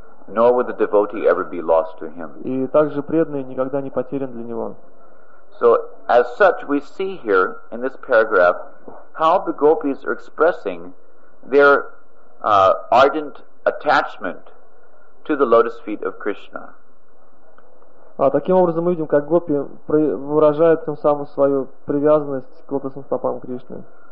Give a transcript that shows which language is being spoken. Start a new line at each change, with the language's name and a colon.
English: Nor would the devotee ever be lost to him.
Russian: И также преданный никогда не потерян для него.
English: So, as such, we see here in this paragraph how the gopis are expressing their ardent attachment to the lotus feet of Krishna.
Russian: Таким образом мы видим, как гопи выражают тем самым свою привязанность к лотосным стопам Кришны.